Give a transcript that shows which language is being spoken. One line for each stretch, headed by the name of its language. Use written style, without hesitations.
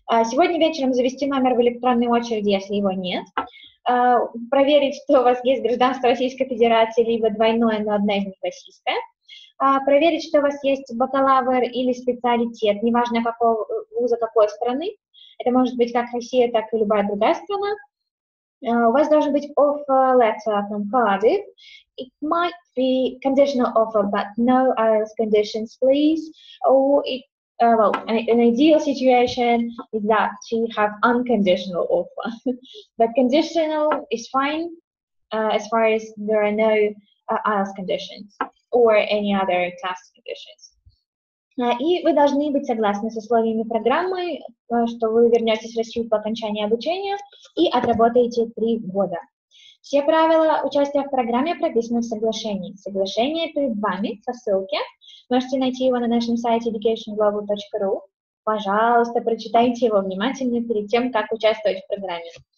Russian: Сегодня вечером завести номер в электронной очереди, если его нет. Проверить, что у вас есть гражданство Российской Федерации, либо двойное, но одна из них российская. Проверить, что у вас есть бакалавр или специалитет, неважно, какого вуза, какой страны. Это может быть как Россия, так и любая другая страна. У вас должен быть
English: offer letter from Cardiff. It might be conditional offer, but no IELTS conditions, please. An ideal situation is that you have unconditional offer. But conditional is fine as far as there are no IELTS conditions or any other test conditions.
Russian: И вы должны быть согласны с условиями программы, что вы вернетесь в Россию по окончании обучения и отработаете 3 года. Все правила участия в программе прописаны в соглашении. Соглашение перед вами со ссылки. Можете найти его на нашем сайте educationglobal.ru. Пожалуйста, прочитайте его внимательно перед тем, как участвовать в программе.